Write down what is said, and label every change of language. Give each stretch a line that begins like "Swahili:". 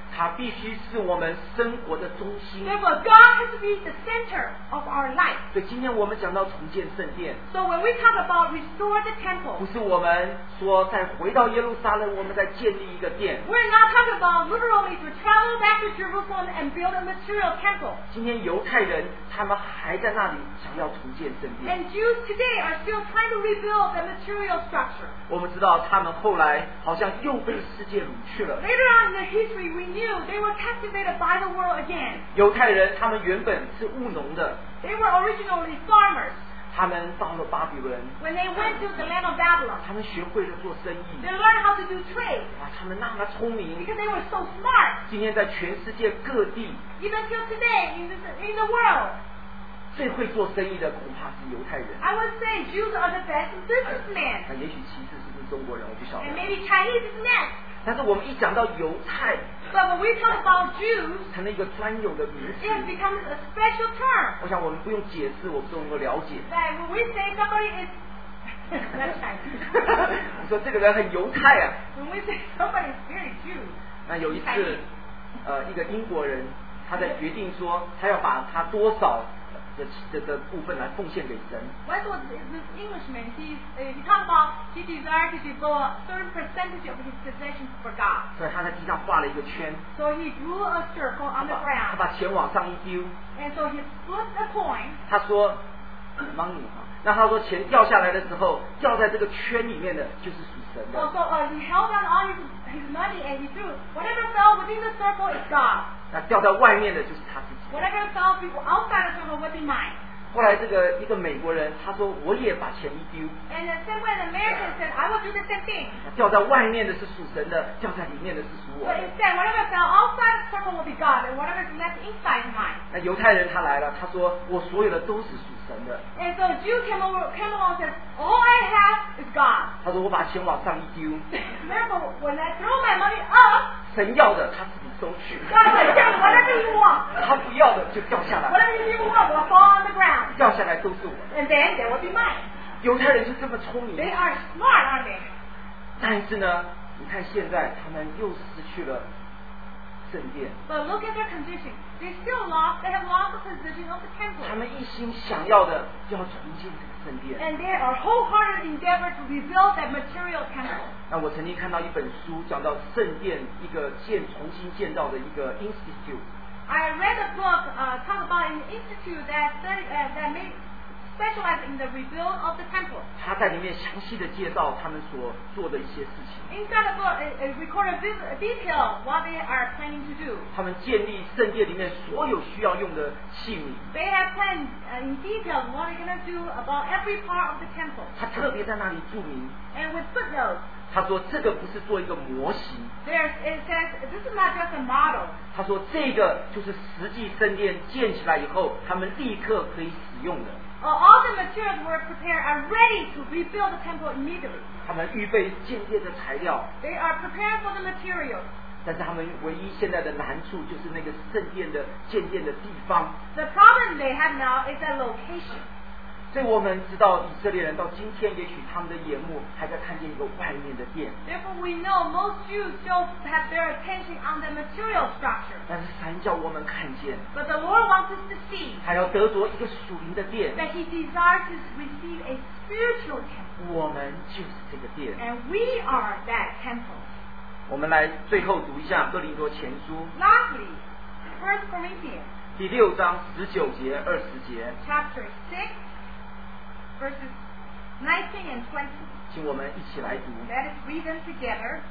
Chinese: 他必须是我们生活的中心。
English: Therefore, God has to be the center of our life.
Chinese: 所以今天我们讲到重建圣殿。
English: So when we talk about restore the temple,
Chinese: 不是我们说再回到耶路撒冷，我们再建立一个殿。
English: We're not talking about literally to travel back to Jerusalem and build a material temple.
Chinese: 今天犹太人他们还在那里想要重建圣殿。
English: And Jews today are still trying to rebuild the material structure.
Chinese: 我们知道他们后来好像又被世界掳去了。
English: Later on in the history, we knew they were captivated by the world again.
Chinese: 犹太人他们原本是务农的。
English: They were originally farmers.
Chinese: 他们到了巴比伦。
English: When they went to the land of Babylon,
Chinese: 他们学会了做生意。
English: They learned how to do trade.
Chinese: 哇，他们那么聪明。
English: Because they were so smart.
Chinese: 今天在全世界各地。
English: Even till today, in the world.
Chinese: 最会做生意的恐怕是犹太人。
English: I would say Jews are the best businessmen.
Chinese: 那也许其次是不是中国人，我不晓得。
English: And maybe Chinese is next.
Chinese: 但是我们一讲到犹太
English: ，But when we talk about Jews,
Chinese: 成了一个专有的名词。
English: It has become a special term.
Chinese: 我想我们不用解释，我们都能够了解。
English: That when we say somebody is Chinese,
Chinese: 你说这个人很犹太啊。
English: When we say somebody is very Jew,
Chinese: 那有一次，一个英国人，他在决定说他要把他多少。的部分来奉献给神。
English: When was this Englishman? He talked about he desired to devote a certain percentage of his possessions for God.
Chinese: 所以他在地上画了一个圈。
English: So he drew a circle on the ground.
Chinese: 他把钱往上一丢。
English: And so he flipped a coin.
Chinese: 他说 ，money 哈。那他说钱掉下来的时候，掉在这个圈里面的就是属神的。
English: So he held on all his money and he drew whatever fell within the circle is God.
Chinese: 那掉在外面的就是他自己。
English: Whatever fell people outside the circle would be mine.
Chinese: 后来这个一个美国人他说我也把钱一丢。
English: And the same way the American said, I will do the same thing.
Chinese: 掉在外面的是属神的，掉在里面的是属我的。
English: But instead, whatever fell outside the circle will be God, and whatever is left inside is mine.
Chinese: 那犹太人他来了，他说我所有的都是属神的。
English: And so Jew came along and said, all I have is God.
Chinese: 他说我把钱往上一丢。
English: Remember, when I throw my money up,
Chinese: 神要的他自己。他不要的就掉下来。
English: Whatever you want, will fall on the ground.
Chinese: 掉下来都是我。
English: And then they will be mine.
Chinese: 犹太人是这么聪明。
English: They are smart, aren't they?
Chinese: 但是呢，你看现在他们又失去了圣殿。
English: But look at their condition. They still lost. They have lost the position of the temple.
Chinese: 他们一心想要的要重建这个圣殿。
English: And they are wholehearted endeavor to rebuild that material temple.
Chinese: 那我曾经看到一本书讲到圣殿一个建重新建造的一个 institute
English: I read a book talk about an institute that made specialized in the rebuild of the temple
Chinese: 他在里面详细的介绍他们所做的一些事情
English: inside the book it recorded detail what they are planning to do
Chinese: 他们建立圣殿里面所有需要用的器皿
English: they have planned in detail what they're going to do about every part of the temple
Chinese: 他特别在那里注明
English: and with footnotes
Chinese: 他说这个不是做一个模型
English: says, this is not just a model.
Chinese: 他说这个就是实际圣殿建起来以后他们立刻可以使用的
English: all the materials were prepared are ready to rebuild the temple immediately
Chinese: 他们预备建殿的材料
English: they are prepared for the materials
Chinese: 但是他们唯一现在的难处就是那个圣殿的建殿的地方
English: the problem they have now is a location
Chinese: 所以我们知道以色列人到今天也许他们的眼目还在看见一个外面的殿
English: Therefore we know most Jews still have their attention on the material structure
Chinese: 但是神叫我们看见
English: But the Lord wants us to see
Chinese: 他要得着一个属灵的殿
English: That he desires to receive a spiritual temple
Chinese: 我们就是这个殿
English: And we are that temple
Chinese: 我们来最后读一下哥林多前书
English: Lastly, First Corinthians
Chinese: 第六章十九节二十节
English: Chapter 6Verses 19 and 20.
Chinese: 请我们一起来读。
English: Let us read them together.